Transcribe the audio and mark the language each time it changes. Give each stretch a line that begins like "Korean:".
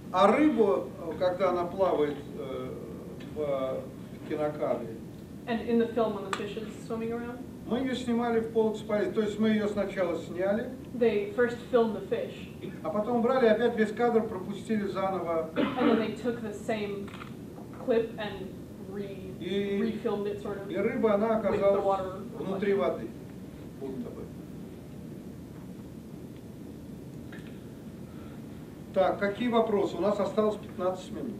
Russian: А рыба, когда она плавает в кинокадре.
English: And in the film when the fish is swimming around?
Russian: Мы ее снимали в полэкспозиции, то есть мы ее сначала сняли.
English: They first filmed the fish.
Russian: А потом брали опять весь кадр, пропустили заново.
English: And then they took the same clip and refilmed it sort of.
Russian: И рыба, она оказалась внутри воды. Будто бы. Так, какие вопросы? У нас осталось 15 минут.